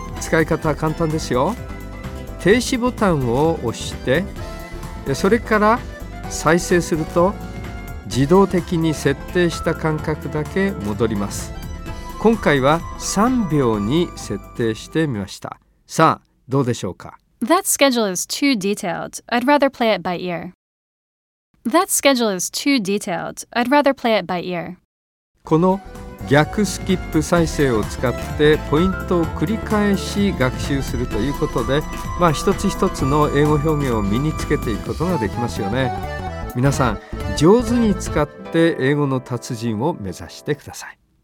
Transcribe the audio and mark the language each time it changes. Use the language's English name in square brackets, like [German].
[Japanese] 使い方は簡単ですよ。停止ボタンを押して、それから再生すると自動的に設定した間隔だけ戻ります。今回は3秒に設定してみました。さあどうでしょうか。 [English] That schedule is too detailed. I'd rather play it by ear. That schedule is too detailed. I'd rather play it by ear. [Japanese] この逆スキップ再生を使ってポイントを繰り返し学習するということで、まあ、一つ一つの英語表現を身につけていくことができますよね。皆さん上手に使って英語の達人を目指してください。